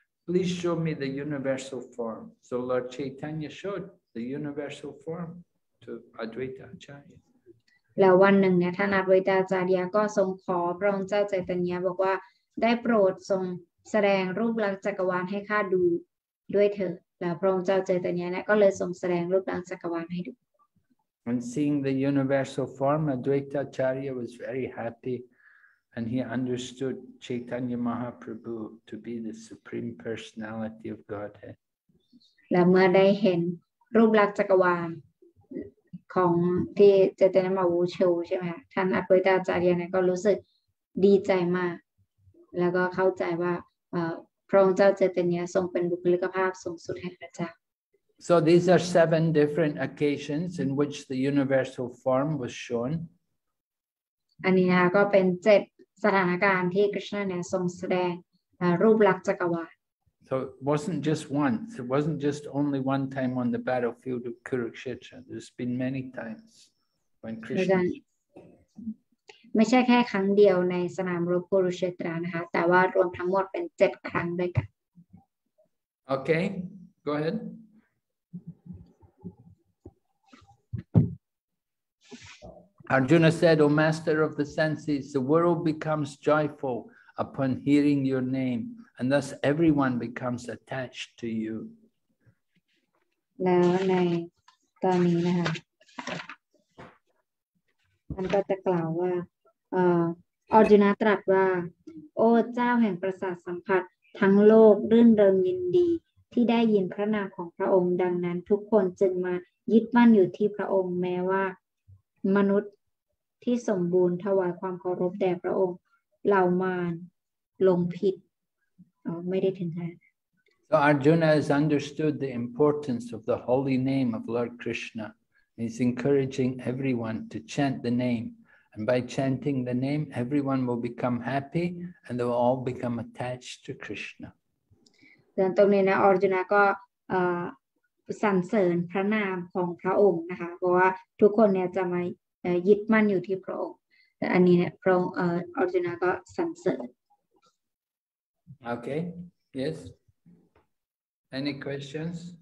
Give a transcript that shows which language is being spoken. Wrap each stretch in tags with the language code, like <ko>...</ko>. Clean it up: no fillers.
<en>Please show me the universal form. So Lord Chaitanya showed the universal form to Advaita Acharya.</en> <th>แล้ววันหนึ่งเนี่ยท่านอดเวตาจารย์ก็ทรงขอพระองค์เจ้าเจตัญญาบอกว่าได้โปรดทรงแสดงรูปลักษณ์จักรวาลให้ข้าดูด้วยเถอะแล้วพระองค์เจ้าเจตัญญาเนี่ยก็เลยทรงแสดงรูปลักษณ์จักรวาลให้ดู</th> <en>And seeing the universal form, Advaita Acharya was very happy. And he understood Chaitanya Mahaprabhu to be the Supreme Personality of Godhead.</en> <th>และเมื่อได้เห็นรูปลักษณ์จักรวาลของที่เจตนามาวูชูใช่ไหมคะท่านอัปปิตาจารย์เนี่ยก็รู้สึกดีใจมากแล้วก็เข้าใจว่าพระองค์เจ้าเจตนาทรงเป็นบุคลิกภาพสูงสุดแห่งพระเจ้า</th> <en>So these are seven different occasions in which the universal form was shown.</en> <th>อันนี้นะก็เป็นเจ็ดสถานการณ์ที่คริสต์เนี่ยทรงแสดงรูปลักษณ์จักรวาล</th> <en>So it wasn't just once. It wasn't just only one time on the battlefield of Kurukshetra. There's been many times when Krishna.</en> <th>ไม่ใช่แค่ครั้งเดียวในสนามรบกุรุเชตรานะคะแต่ว่ารวมทั้งหมดเป็นเจ็ดครั้งด้วยกัน</th> <en>Okay, go ahead. Arjuna said, "O Master of the senses, the world becomes joyful upon hearing your name." And thus everyone becomes attached to you.</en> <th>แล้วในตอนนี้นะคะมันก็จะกล่าวว่าอจุนาตรัสว่าโอ้เจ้าแห่งประสาทสัมผัสทั้งโลกรื่นเริงยินดีที่ได้ยินพระนามของพระองค์ดังนั้นทุกคนจึงมายึดมั่นอยู่ที่พระองค์แม้ว่ามนุษย์ที่สมบูรณ์ถวายความเคารพแด่พระองค์เหล่ามารลงผิด</th> <en>So Arjuna has understood the importance of the holy name of Lord Krishna. He's encouraging everyone to chant the name. And by chanting the name, everyone will become happy and they will all become attached to Krishna.</en> <th>ดังตรงนี้นะ Arjuna ก็สรรเสริญพระนามของพระองค์นะคะเพราะว่าทุกคนเนี่ยจะมายึดมั่นอยู่ที่พระองค์แต่อันนี้เนี่ยพระองค์ Arjuna ก็สรรเสริญ</th> <en>Okay, yes. Any questions?</en>